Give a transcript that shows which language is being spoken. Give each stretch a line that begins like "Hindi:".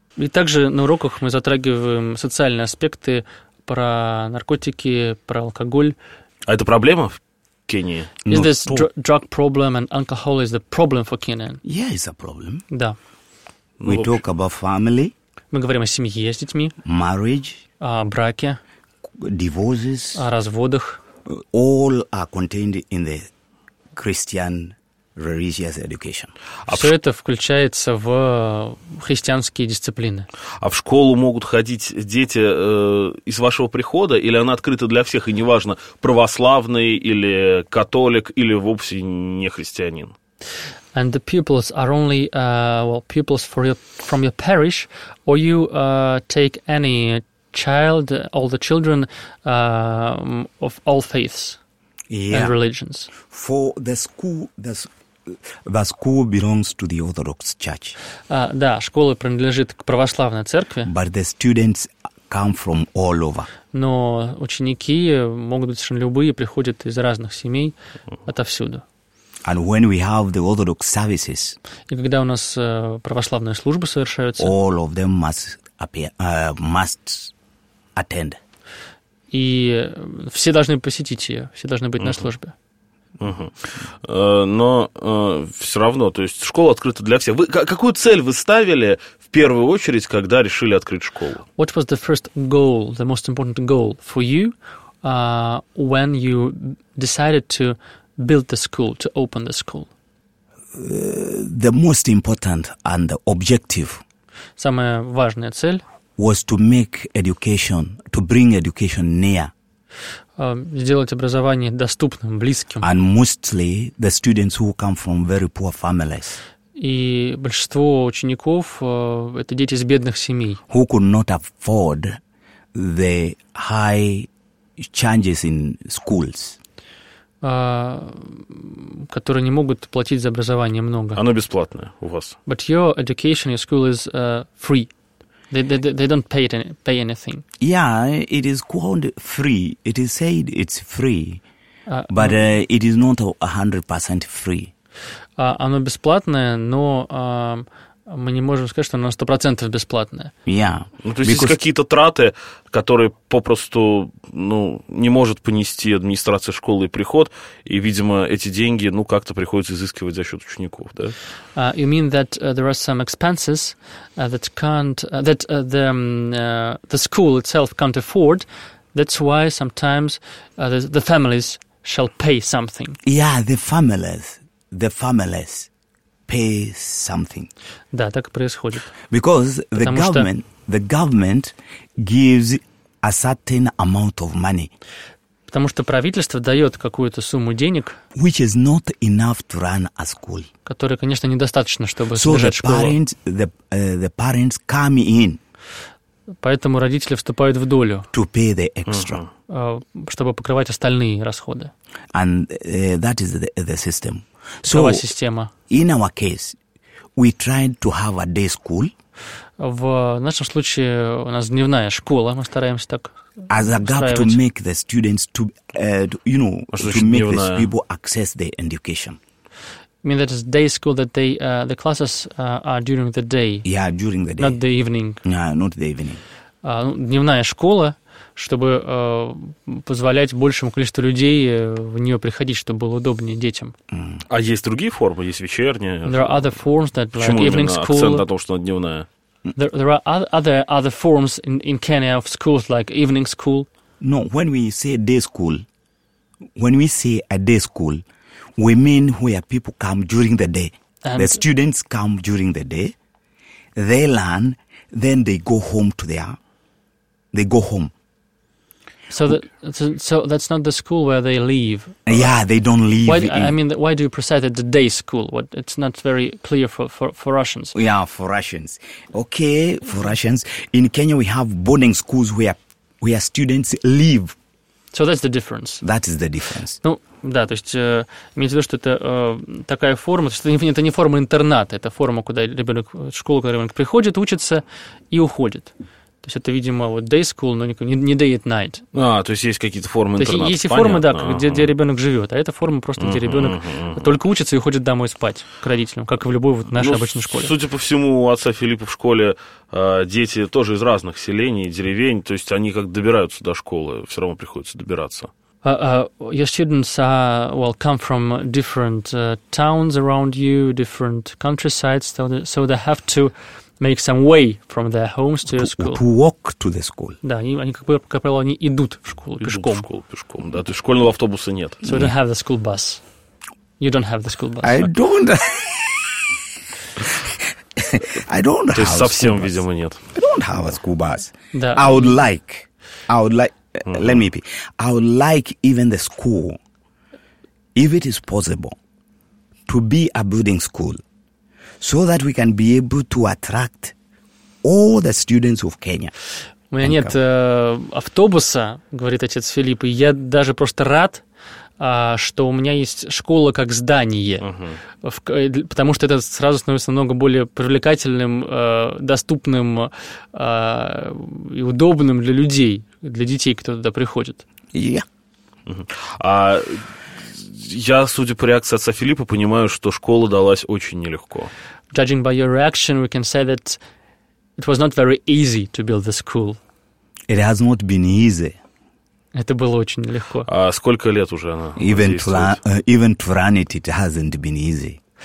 Russian: И также на уроках мы затрагиваем социальные аспекты про наркотики, про алкоголь. А это проблема в Кении?
English: Is this drug problem and alcohol is the problem for Kenya? Yeah, it's a problem.
Russian: Да.
English: We talk about family.
Russian: Мы говорим о семье с детьми.
English: Marriage.
Russian: О браке.
English: Divorces.
Russian: О разводах.
English: All are contained in the Christian religious education.
Russian: Все это включается в христианские дисциплины. А в школу могут ходить дети из вашего прихода, или она открыта для всех, и неважно, православный или католик, или вовсе не христианин?
English: And the pupils are only pupils from your parish, or you take any child, all the children of all faiths, yeah, and religions. For the school belongs to the Orthodox Church.
Russian: Да, школа принадлежит к православной церкви.
English: But the students come from all over.
Russian: Но ученики могут быть совершенно любые, приходят из разных семей, отовсюду.
English: And when we have the Orthodox services,
Russian: и когда у нас православные службы совершаются,
English: all of them must attend.
Russian: И все должны посетить ее, все должны быть на службе. Но все равно, то есть школа открыта для всех. Какую цель вы ставили в первую очередь, когда решили открыть школу?
English: What was the first goal, the most important goal for you when you decided to build the school, to open the school? The most important and the objective,
Russian: самая важная цель,
English: was to make education, to bring education near,
Russian: сделать образование доступным, близким.
English: And mostly the students who come from very poor families.
Russian: И большинство учеников это дети из бедных семей.
English: Who could not afford the high charges in schools.
Russian: Которые не могут платить за образование много. Оно бесплатное у вас.
English: But your education, your school is free. They don't pay anything. Yeah, it is called free. It is said it's free. But it is not 100% free.
Russian: Оно бесплатное, но мы не можем сказать, что оно 100% бесплатное.
English: Yeah.
Russian: Ну, то есть есть какие-то траты, которые попросту, ну, не может понести администрация школы и приход, и, видимо, эти деньги, ну, как-то приходится изыскивать за счет учеников, да?
English: You mean that there are some expenses that can't, that the school itself can't afford, that's why sometimes the families shall pay something. Yeah, the families. Pay something.
Russian: Да, так и происходит.
English: Because the government gives a certain amount of money.
Russian: Потому что правительство дает какую-то сумму денег,
English: which is not enough to run a school.
Russian: Которая, конечно, недостаточно, чтобы
English: so
Russian: содержать школу.
English: Parents, the parents come in.
Russian: Поэтому родители вступают в долю,
English: to pay the extra.
Russian: Чтобы покрывать остальные расходы.
English: And that is the system. So,
Russian: такова система.
English: In our case, we tried to have a day school.
Russian: В нашем случае у нас дневная школа, мы стараемся так
English: as a gap
Russian: устраивать.
English: To make the students to you know to make these people access their education. I mean that is day school that they the classes are during the day. Yeah, during the day. Not the evening. Yeah, not the evening.
Russian: Дневная школа, чтобы позволять большему количеству людей в нее приходить, чтобы было удобнее детям. Mm. А есть другие формы, есть вечерняя.
English: There are other forms that like
Russian: почему
English: evening school.
Russian: Акцент на том, что она дневная.
English: There are other forms in Kenya of schools like evening school. No, when we say day school, when we say a day school, we mean where people come during the day. And the students come during the day, they learn, then they go home to their, they go home. So that's not the school where they leave. Yeah, they don't leave. Why do you present it the day school? What it's not very clear for Russians. Yeah, for Russians. Okay, for Russians. In Kenya, we have boarding schools where students leave. So that's the difference. That is the difference.
Russian: Ну да, то есть имею в виду, что это такая форма, что это не форма интерната, это форма, куда ребенок школу, куда ребенок приходит, учится и уходит. То есть это, видимо, вот
English: day school,
Russian: но не
English: day at night.
Russian: А, то есть есть какие-то формы интерната. То есть интернат, есть и формы, да, где ребенок живет, а это форма просто, где ребенок только учится и уходит домой спать к родителям, как и в любой вот нашей обычной школе. Судя по всему, у отца Филиппа в школе дети тоже из разных селений, деревень, то есть они как добираются до школы, все равно приходится добираться.
English: Your students are, well, come from different towns around you, different countryside, so they have to make some way from their homes to your school. To walk to the school.
Russian: Да, они как правило, они идут в школу пешком. Идут в школу пешком, да. То есть школьного автобуса нет.
English: So we don't have the school bus. You don't have the school bus. I don't
Russian: То есть совсем, видимо, нет.
English: I don't have a school bus.
Russian: Да.
English: I would like, let me be. I would like even the school, if it is possible, to be a boarding school, so that we can be able to attract all the students of Kenya.
Russian: У меня нет автобуса, говорит отец Филипп, и я даже просто рад, что у меня есть школа как здание, потому что это сразу становится намного более привлекательным, доступным и удобным для людей, для детей, кто туда приходит. Я, судя по реакции отца Филиппа, понимаю, что школа далась очень нелегко.
English: Judging by your reaction, we can say that it was not very easy to build the school. It has not been easy.
Russian: Это было очень нелегко. А сколько лет уже она действует?
English: Even to run it, it hasn't been easy.